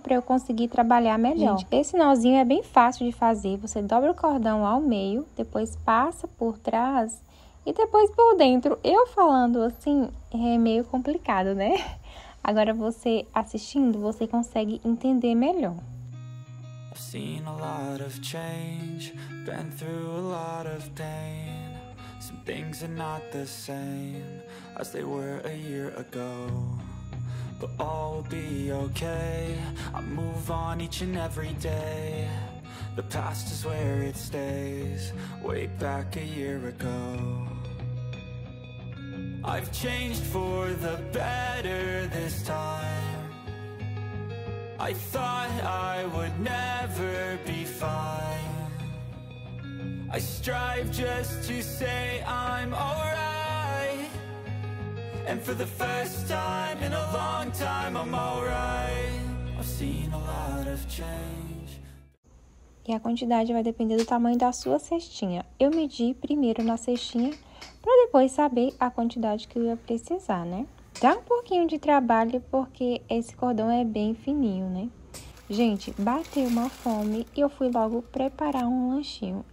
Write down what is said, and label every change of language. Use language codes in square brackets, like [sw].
[pt] Pra eu conseguir trabalhar melhor. Gente, esse nozinho é bem fácil de fazer. Você dobra o cordão ao meio, depois passa por trás e depois por dentro. Eu falando assim, é meio complicado, né? Agora você assistindo, você consegue entender melhor. [en] I've seen a lot of change, been through a lot of pain. Some things are not the same as they were a year ago. But all will be okay, I move on each and every day. The past is where it stays, way back a year ago. I've changed for the better this time. I thought I would never be fine. I strive just to say I'm alright. And for the first time in a long time, I'm alright. I've seen a lot of change. [pt] E a quantidade vai depender do tamanho da sua cestinha. Eu medi primeiro na cestinha para depois saber a quantidade que eu ia precisar, né? Dá um pouquinho de trabalho porque esse cordão é bem fininho, né? Gente, bateu uma fome e eu fui logo preparar um lanchinho.